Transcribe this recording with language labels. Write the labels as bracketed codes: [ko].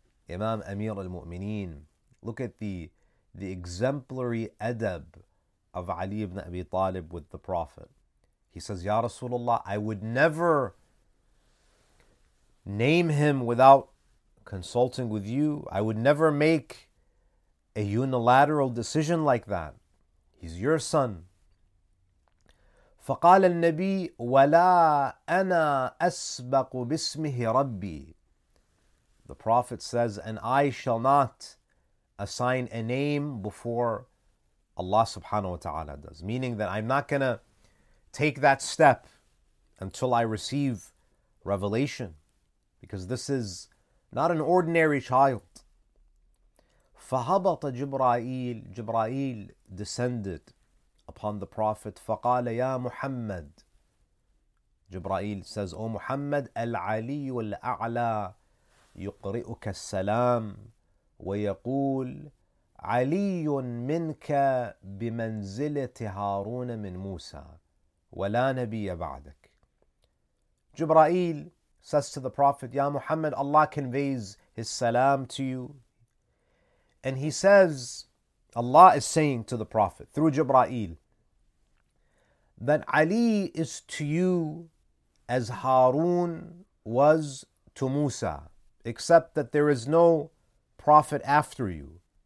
[en] Imam Amir al-Mu'mineen, look at the exemplary adab of Ali ibn Abi Talib with the Prophet. He says, Ya Rasulullah, I would never name him without consulting with you. I would never make a unilateral decision like that. He's your son. [ar] فقال النبي ولا أنا أسبق باسمه ربي. [en] The Prophet says, and I shall not assign a name before Allah subhanahu wa ta'ala does. Meaning that I'm not gonna take that step until I receive revelation. Because this is not an ordinary child. [ar] فهبط جبرائيل. [en] جبرائيل descended upon the Prophet, [ar] فقال يا محمد. [en] Jibreel says, O Muhammad, [ar] العلي الأعلى يقرئك السلام ويقول علي منك بمنزلة هارون من موسى ولا نبي بعدك. [en] Jibreel says to the Prophet, [ar] يا محمد, [en] Allah conveys his salam to you. And he says, Allah is saying to the Prophet through Jibreel, that Ali is to you as Harun was to Musa, except that there is no prophet after you.